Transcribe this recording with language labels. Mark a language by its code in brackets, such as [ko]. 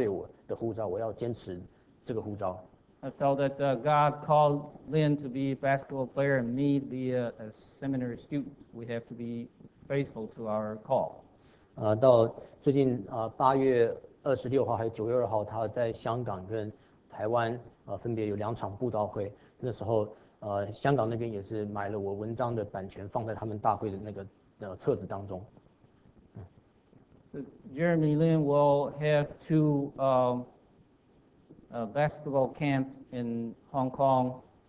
[zh] 我觉得说，神对他有一个打篮球的呼召，但是神对我在神把我放在神学院，也有他对我的呼召，我要坚持这个呼召。 [en] I felt that God called Lin to be a basketball player and me to be a seminary student. We have to be faithful to our call. [zh] 到最近8月26号还是9月2号，他在香港跟台湾分别有两场布道会，那时候。香港那边也是买了我文章的版权，放在他们大会的那个册子当中。 [en] So Jeremy Lin will have two basketball camps in Hong Kong.